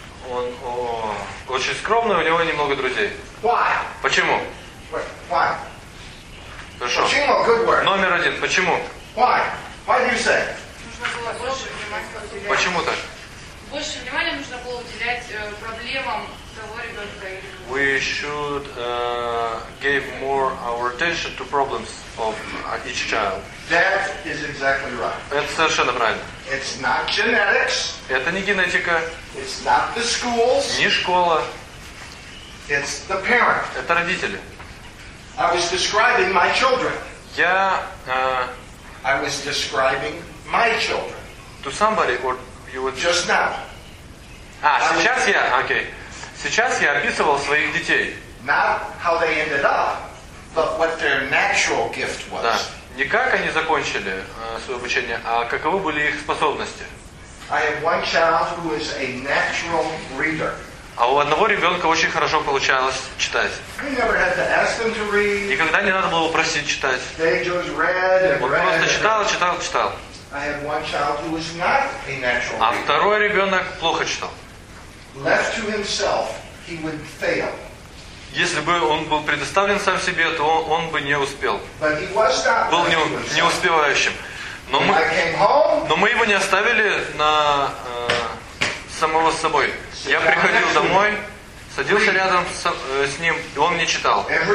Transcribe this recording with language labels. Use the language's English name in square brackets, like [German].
[Russian] Он очень скромный, у него немного друзей. [English] Why? [Russian] Почему? [English] Why? [Russian] Хорошо. Почему? [English] Good word. [Russian] Номер один. Почему? [English] Why? Why do you say? [Russian] Нужно было больше внимания уделять. Почему так? Больше внимания нужно было уделять проблемам того ребенка. [English] We should give more our attention to problems of each child. That is exactly right. [Russian] Это совершенно правильно. [English] It's not genetics. [Russian] Это не генетика. [English] It's not the schools. [Russian] Не школа. [English] It's the parent. [Russian] Это родители. [English] I was describing my children. [Russian] Я [English] I was describing my children. To somebody or you would just now. [Russian] А, сейчас я, окей. Сейчас я описывал своих детей. [English] Not how they ended up, but what their natural gift was. [Russian] Да. Не как они закончили свое обучение, а каковы были их способности. [English] I have one child who is a natural reader. [Russian] А у одного ребенка очень хорошо получалось читать. [English] I never had to ask them to read. [Russian] Никогда не надо было его просить читать. [English] They just read and read. [Russian] Он просто читал, читал, читал. [English] I have one child who is not a natural reader. [Russian] А второй ребенок плохо читал. [English] Left to himself, he would fail. [Russian] Если бы он был предоставлен сам себе, то он бы не успел. Был не успевающим. Но мы его не оставили на самого с собой. Я приходил домой, садился рядом с ним, и он мне читал.